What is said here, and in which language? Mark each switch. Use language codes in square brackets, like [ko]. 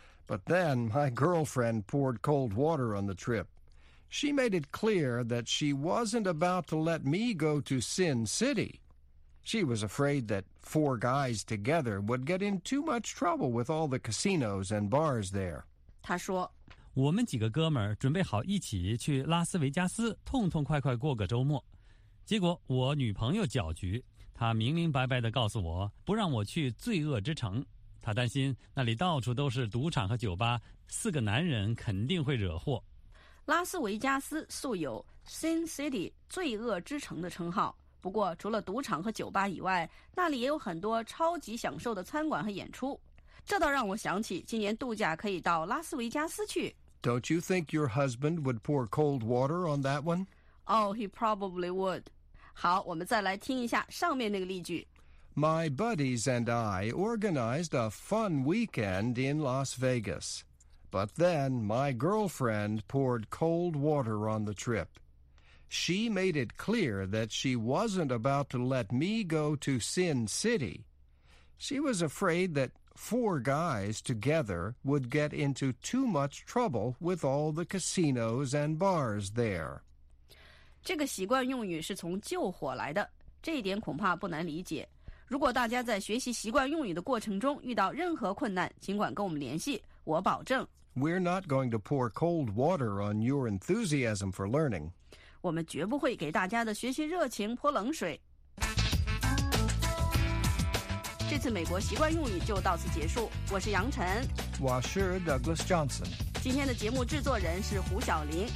[en] But then my girlfriend poured cold water on the trip. She made it clear that she wasn't about to let me go to Sin City. She was afraid that four guys together would get in too much trouble with all the casinos and bars there. [zh] 她说，我们几个哥们儿准备好一起去拉斯维加斯痛痛快快过个周末。结果我女朋友搅局，她明明白白地告诉我不让我去罪恶之城。他担心那里到处都是赌场和酒吧，四个男人肯定会惹祸。拉斯维加斯素有 Sin City 罪恶之城的称号，不过除了赌场和酒吧以外，那里也有很多超级享受的餐馆和演出。这倒让我想起今年度假可以到拉斯维加斯去。 [en] Don't you think your husband would pour cold water on that one? Oh, he probably would. [zh] 好，我们再来听一下上面那个例句。 [en] My buddies and I organized a fun weekend in Las Vegas. But then my girlfriend poured cold water on the trip. She made it clear that she wasn't about to let me go to Sin City. She was afraid that four guys together would get into too much trouble with all the casinos and bars there. [zh] 这个习惯用语是从救火来的，这一点恐怕不难理解。如果大家在学习习惯用语的过程中遇到任何困难，尽管跟我们联系，我保证。 [en] We're not going to pour cold water on your enthusiasm for learning. [zh] 我们绝不会给大家的学习热情泼冷水。这次美国习惯用语就到此结束。我是杨晨。我是 Douglas Johnson。今天的节目制作人是胡晓林。